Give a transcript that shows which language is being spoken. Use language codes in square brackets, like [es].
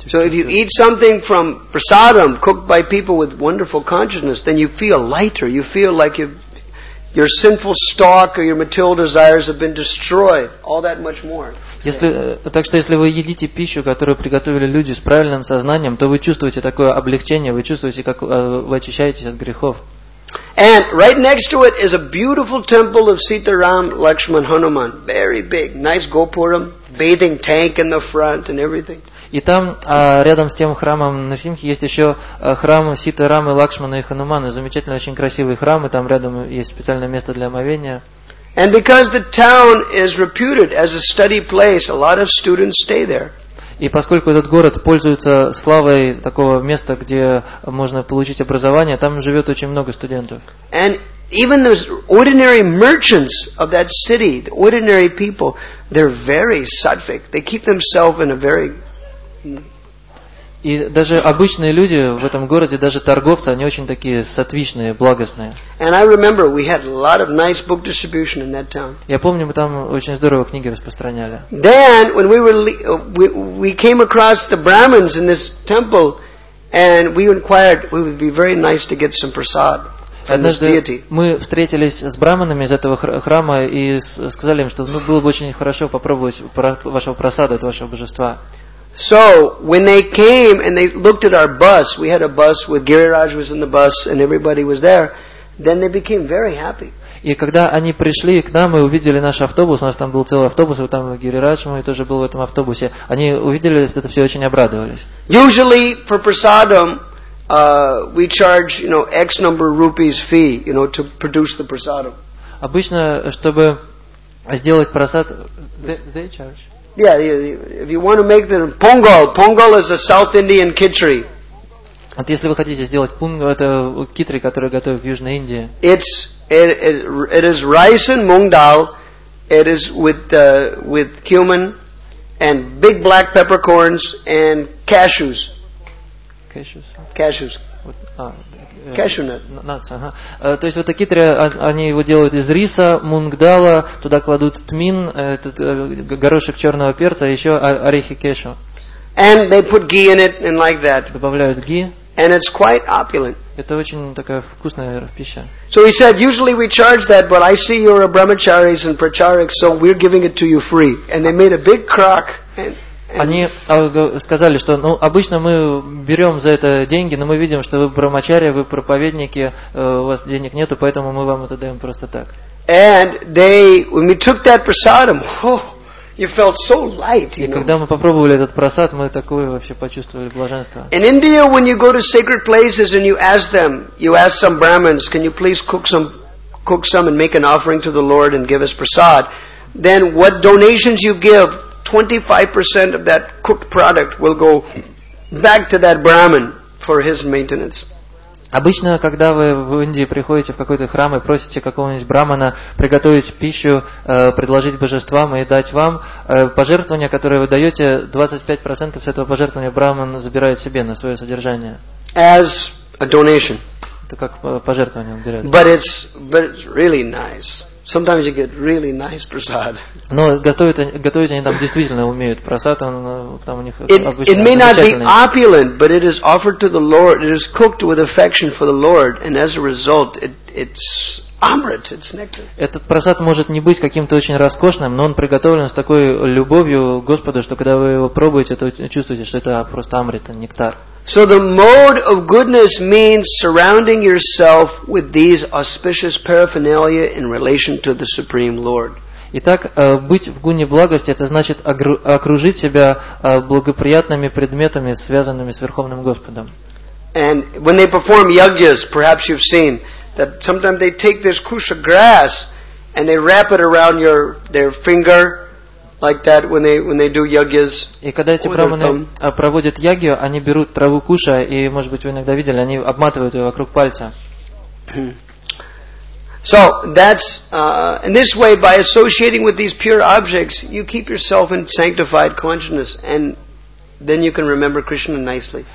[en] So if you eat something from prasadam, cooked by people with wonderful consciousness, then you feel lighter, you feel like your sinful stalk or your material desires have been destroyed all that much more. [ru] Так что если вы едите пищу, которую приготовили люди с правильным сознанием, то вы чувствуете такое облегчение, вы чувствуете, как вы очищаетесь от грехов. [en] And right next to it is a beautiful temple of Sitaram Lakshman Hanuman. Very big, nice Gopuram, bathing tank in the front and everything. [ru] И там, рядом с тем храмом Нарсимхи, есть еще храм Ситарамы, Лакшмана и Хануманы. Замечательно, очень красивый храм, и там рядом есть специальное место для омовения. [en] And because the town is reputed as a study place, a lot of students stay there. [ru] И поскольку этот город пользуется славой такого места, где можно получить образование, там живет очень много студентов. [en] And even those ordinary merchants of that city, the ordinary people, they're very sattvic. They keep themselves in a very... [ru] И даже обычные люди в этом городе, даже торговцы, они очень такие сатвичные, благостные. [en] And I remember we had a lot of nice book distribution in that town. [ru] Я помню, мы там очень здорово книги распространяли. [en] Then when we came across the Brahmins in this temple, and we inquired, it would be very nice to get some prasad. [ru] Однажды мы встретились с браманами из этого храма и сказали им, что было бы очень хорошо попробовать вашего просада, от вашего божества. [en] So when they came and they looked at our bus, we had a bus with Giriraj was in the bus and everybody was there, then they became very happy. [ru] И когда они пришли к нам и увидели наш автобус, у нас там был целый автобус, вот там Гирирадж мой тоже был в этом автобусе, они увидели это все, очень обрадовались. [en] Usually for prasadam, we charge, you know, X number of rupees fee, you know, to produce the prasadam. [ru] Обычно, чтобы сделать просад, [en] they charge. Yeah, if you want to make the pongal is a South Indian khichdi. [ru] Вот если вы хотите сделать пунг, это китри, который готовят в Южной Индии. [en] It is rice and mung dal. It is with cumin and big black peppercorns and cashews. Cashews. Cashew nut. [ru] То есть вот такие три, они его делают из риса, мунгдала, туда кладут тмин, этот горошек черного перца, еще орехи кешу. [en] And they put ghee in it and like that. [ru] Добавляют ghee. [en] And it's quite opulent. [ru] Это очень такая вкусная пища. [en] So he said, usually we charge that, but I see you're a brahmacharis and pracharik, so we're giving it to you free. And they made a big crock. [ru] Они сказали, что ну, обычно мы берем за это деньги, но мы видим, что вы брахмачари, вы проповедники, у вас денег нету, поэтому мы вам это даем просто так. [en] And they, when we took that prasadam, you felt so light, you know. [ru] И когда мы попробовали этот просад, мы такое вообще почувствовали блаженство. [en] In India, when you go to sacred places and you ask them, you ask some Brahmins, can you please cook some and make an offering to the Lord and give us prasad? then what donations you give, 25% of that cooked product will go back to that Brahmin for his maintenance. [ru] Обычно, когда вы в Индии приходите в какой-то храм и просите какого-нибудь брахмана приготовить пищу, предложить божествам и дать вам пожертвование, которое вы даете, 25% с этого пожертвования брахман забирает себе на свое содержание. [en] As a donation. [ru] Это как пожертвование он берет. [en] But it's really nice. Sometimes you get really nice prasad. [ru] Но готовить они там действительно умеют. Прасад, он там у них [en] It may not be opulent, but it is offered to the Lord. It is cooked with affection for the Lord, and as a result, it's amrit, it's nectar. [ru] Этот прасад может не быть каким-то очень роскошным, но он приготовлен с такой любовью Господу, что когда вы его пробуете, то чувствуете, что это просто амрит, нектар. [en] So the mode of goodness means surrounding yourself with these auspicious paraphernalia in relation to the Supreme Lord. [ru] Итак, быть в гуне благости это значит окружить себя благоприятными предметами, связанными с Верховным Господом. [en] And when they perform yajnas, perhaps you've seen that sometimes they take this kusha grass and they wrap it around their finger. Like that when they do yajnas. [ru] И когда эти брахманы проводят ягью, они берут траву куша и, может быть, вы иногда видели, они обматывают ее вокруг пальца. [en] So that's in this way, by associating with these pure objects, you keep yourself in sanctified consciousness, and then you can remember Krishna nicely.